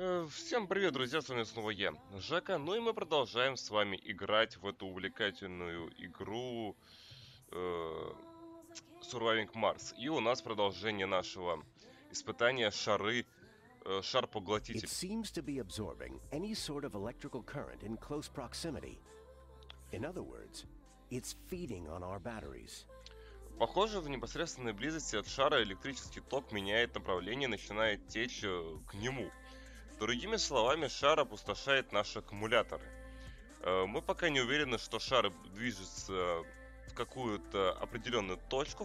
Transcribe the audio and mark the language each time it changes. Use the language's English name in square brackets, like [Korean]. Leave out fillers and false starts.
[Russian] Всем привет, друзья, с вами снова я, Жека. Ну и мы продолжаем с вами играть в эту увлекательную игру Surviving Mars. И у нас продолжение нашего испытания шары, шар-поглотитель. [English] It seems to be absorbing any sort of electrical current in close proximity. In other words, it's feeding on our batteries. [Russian] Похоже, в непосредственной близости от шара электрический ток меняет направление и начинает течь к нему. Другими словами, шар опустошает наши аккумуляторы. Мы пока не уверены, что шар движется в какую-то определенную точку.